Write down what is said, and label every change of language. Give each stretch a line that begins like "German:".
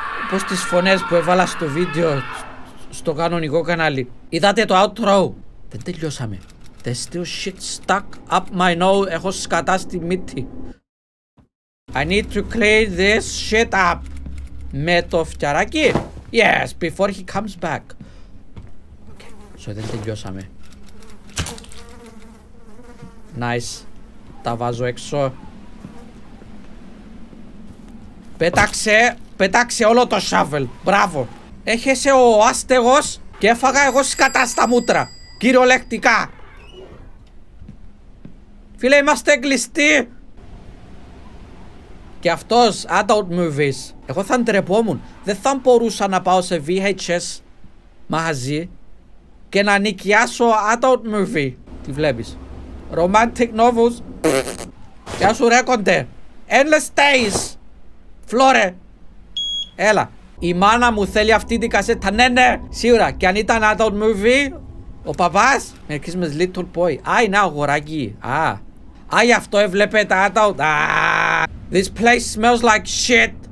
Greek: Πώς τις φωνές που έβαλα στο βίντεο στο κανονικό κανάλι. Είδατε το outro. Δεν τελειώσαμε.
English: There's still shit stuck up my nose.
Greek: Έχω σκατά στη μύτη.
English: I need to clean this shit up.
Greek: Με το φτιαράκι.
English: Yes, before he comes back. Okay.
Greek: So δεν τελειώσαμε. Nice. Τα βάζω έξω. Πέταξε. Πετάξε όλο το σάβελ. Μπράβο. Έχεσαι ο άστεγος και έφαγα εγώ σκατά στα μούτρα. Κυριολεκτικά. Φίλε, είμαστε κλειστοί. Και αυτός, adult movies. Εγώ θα ντρεπόμουν. Δεν θα μπορούσα να πάω σε VHS μαζί και να νοικιάσω adult movie. Τι βλέπεις? Romantic novels. Γεια σου ρε κοντέ. Endless days. Φλόρε. Έλα, η μάνα μου θέλει αυτή την κασέτα. Ναι, ναι, σίγουρα. Και αν ήταν adult movie, ο παπάς. Μερικής με little boy. Α, είναι αγοράκι. Α, γι' αυτό έβλεπε τα adult.
English: This place smells like shit.